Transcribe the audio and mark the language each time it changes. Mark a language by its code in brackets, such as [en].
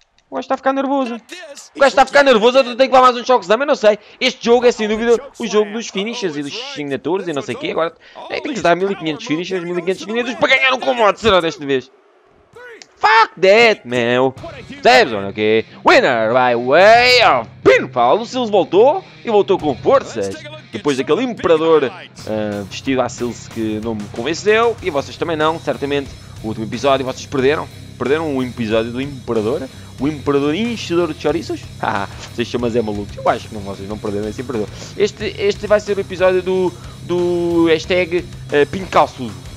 [pt] O gajo está a ficar nervoso. O gajo está a ficar nervoso, eu tenho que levar mais um choque, também não sei. Este jogo é sem dúvida o jogo dos finishers e dos signatures e não sei o quê. Agora tem que dar 1500 finishers, 1500 minutos para ganhar um combate, será desta vez? [en] Fuck that, [pt] meu! Sabes, olha o quê? [en] Winner by way of pinfall! [pt] O Silas voltou e voltou com forças! Depois daquele imperador vestido à Silas que não me convenceu e vocês também não, certamente. O último episódio vocês perderam. Perderam o episódio do imperador? O imperador enchedor de chouriços? Ah, vocês chamam é maluco. Eu acho que não, vocês não perderam esse imperador. Este vai ser o episódio do hashtag pincalçudo.